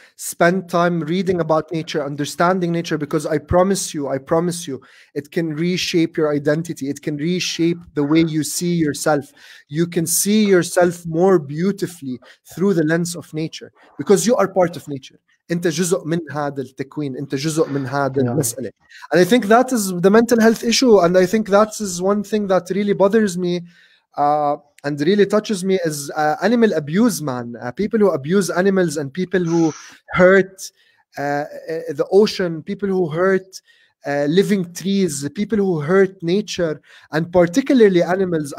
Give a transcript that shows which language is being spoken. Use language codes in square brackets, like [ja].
[en] Spend time reading about nature, understanding nature, because I promise you, it can reshape your identity. It can reshape the way you see yourself. You can see yourself more beautifully through the lens of nature, because you are part of nature. [ar] انت جزء من هذا التكوين, انت جزء من هذا المساله. [en] And I think that is the mental health issue, and I think that is one thing that really bothers me and really touches me is animal abuse, man. People who abuse animals and people who hurt the ocean, people who hurt living trees, people who hurt nature, and particularly animals.